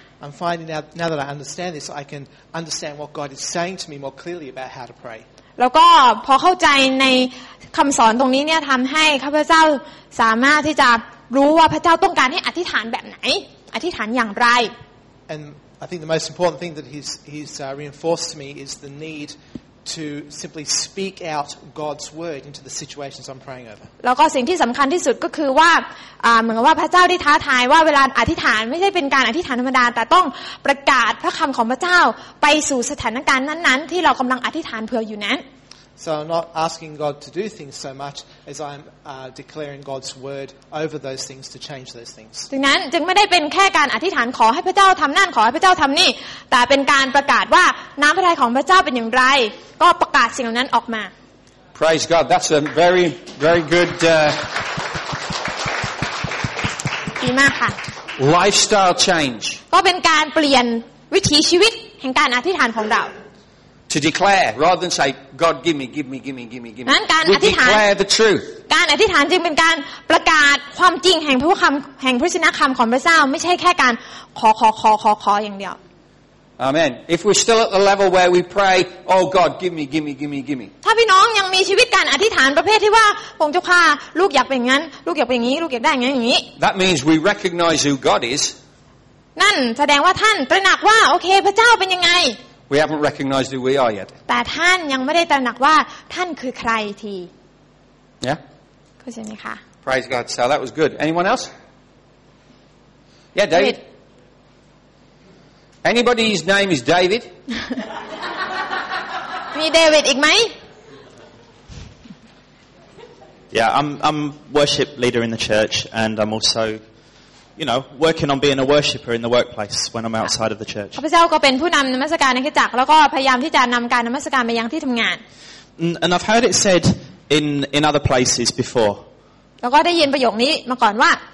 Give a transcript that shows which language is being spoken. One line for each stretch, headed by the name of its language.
English: I'm finding out now that I understand this, I can understand what God is saying to me more clearly about how to pray.
Thai: แล้วก็พอเข้าใจในคำสอนตรงนี้เนี่ยทำให้ข้าพเจ้าสามารถที่จะรู้ว่าพระเจ้าต้องการให้อธิษฐานแบบไหนอธิษฐานอย่างไร
English: And I think the most important thing that he's reinforced to me is the need to simply speak out God's word into the situations I'm praying over.
Thai: แล้วก็สิ่งที่สำคัญที่สุดก็คือว่าเหมือนว่าพระเจ้าได้ท้าทายว่าเวลาอธิษฐานไม่ใช่เป็นการอธิษฐานธรรมดาแต่ต้องประกาศพระคำของพระเจ้าไปสู่สถานการณ์นั้นๆที่เรากำลังอธิษฐานเพื่ออยู่นั้น
English: So I'm not asking God to do things so much as I'm declaring God's word over those things to change those things.
Thai: ดังนั้นจึงไม่ได้เป็นแค่การอธิษฐานขอให้พระเจ้าทำนั่นขอให้พระเจ้าทำนี่แต่เป็นการประกาศว่าน้ำพระทัยของพระเจ้าเป็นอย่างไรก็ประกาศสิ่งเหล่านั้นออกมา
English: Praise God. That's a very, very good.
Thai: ดีมากค่ะ
English: Lifestyle change.
Thai: ก็เป็นการเปลี่ยนวิถีชีวิตแห่งการอธิษฐานของเรา
English: To declare rather than say, God, give me, give me, give me, give me, give me. We declare the truth.
Thai: การอธิษฐานจึงเป็นการประกาศความจริงแห่งพระคำแห่งพระชนะคำของพระเจ้าไม่ใช่แค่การขออย่างเดียว
English: Amen. If we're still at the level where we pray, oh God, give me, give me, give me, give me.
Thai: ถ้าพี่น้องยังมีชีวิตการอธิษฐานประเภทที่ว่าผมจะพาลูกอยากเป็นงั้นลูกอยากเป็นงี้ลูกอยากได้งั้นอย่างนี้
English: That means we recognize who God is.
Thai: นั่นแสดงว่าท่านตระหนักว่าโอเคพระเจ้าเป็นยังไง
English: We haven't recognized who we are yet.
Thai: แต่ท่านยังไม่ได้ตระหนักว่าท่านคือใครที เนี่ย เข้าใจไหมคะ
English: Praise God. So that was good. Anyone else? Yeah, David. Anybody's name is David?
Thai: มีเดวิดอีกไหม
English: Yeah, I'm worship leader in the church, and I'm also. You know, working on being a worshipper in the workplace when I'm outside of the church.
Thai: ข้าพเจ้าก็เป็นผู้นำนมัสการในคริสตจักรแล้วก็พยายามที่จะนำการนมัสการไปยังที่ทำงาน
English: And I've heard it said in other places before.
Thai: แล้วก็ได้ยินประโยคนี้มาก่อนว่า